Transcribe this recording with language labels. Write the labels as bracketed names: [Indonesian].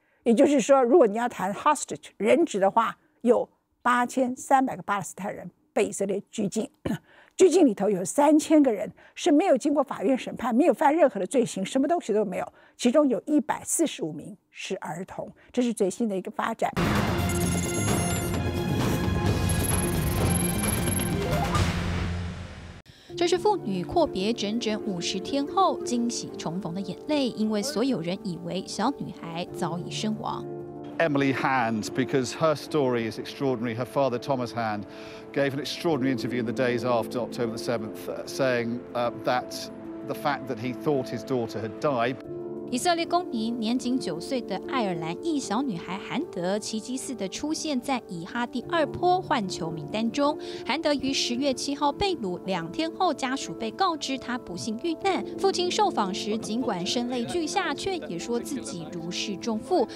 [Chinese] 也就是说，如果你要谈 hostage 人质的话，有8300个巴勒斯坦人被以色列拘禁，拘禁里头有3000个人是没有经过法院审判，没有犯任何的罪行，什么东西都没有，其中有145名是儿童，这是最新的一个发展。这是妇女阔别整整50天后惊喜重逢的眼泪，因为所有人以为小女孩早已身亡。 [English] Emily Hand, because her story is extraordinary. Her father, Thomas Hand, gave an extraordinary interview in the days after October the 7th, saying that the fact that he thought his daughter had died. [Chinese] 以色列公民年仅9岁的爱尔兰裔小女孩韩德，奇迹似的出现在以哈第二波换囚名单中。韩德于10月7号被掳，2天后家属被告知她不幸遇难。父亲受访时，尽管声泪俱下，却也说自己如释重负。